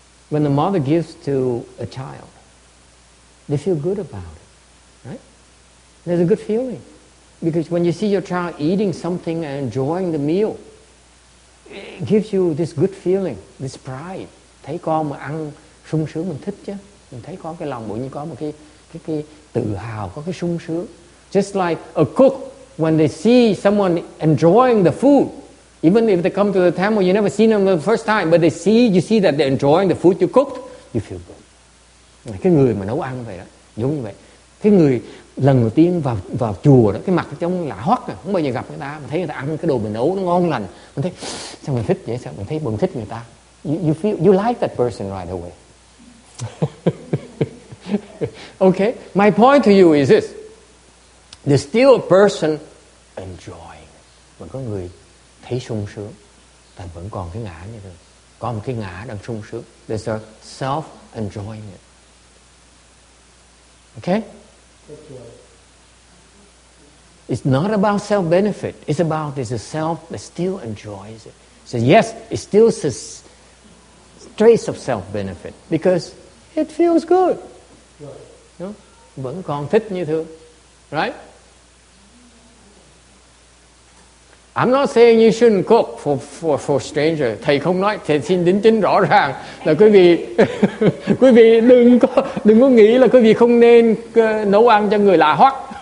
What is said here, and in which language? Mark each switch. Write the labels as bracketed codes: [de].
[en] When the mother gives to a child, they feel good about it. There's a good feeling. Because when you see your child eating something and enjoying the meal, it gives you this good feeling, this pride. [vi] Thấy con mà ăn sung sướng mình thích chứ. Mình thấy có cái lòng bụi như có một cái tự hào, có cái sung sướng. [en] Just like a cook, when they see someone enjoying the food, even if they come to the temple, you never seen them the first time, but you see that they're enjoying the food you cooked, you feel good. [vi] Cái người mà nấu ăn vậy đó, giống như vậy. Cái người lần đầu tiên vào chùa đó, cái mặt trông lạ hoắc, không bao giờ gặp người ta, mình thấy người ta ăn cái đồ mình nấu nó ngon lành, mình thấy sao mình thích vậy, sao mình thấy mừng thích người ta. [en] You like that person right away. Okay, my point to you is this: there's still a person enjoying, [vi] vẫn có người thấy sung sướng, thành vẫn còn cái ngã như thế, có một cái ngã đang sung sướng. [en] There's a self enjoying it. Okay. It's not about self-benefit. It's about there's a self that still enjoys it. So yes, it still says trace of self-benefit because it feels good. No? [vi] Vẫn còn thích như thường. [en] Right? I'm not saying you shouldn't cook for stranger. [vi] Thầy không nói, thầy xin đính chính rõ ràng là quý vị quý vị đừng có nghĩ là quý vị không nên nấu ăn cho người lạ hoắc.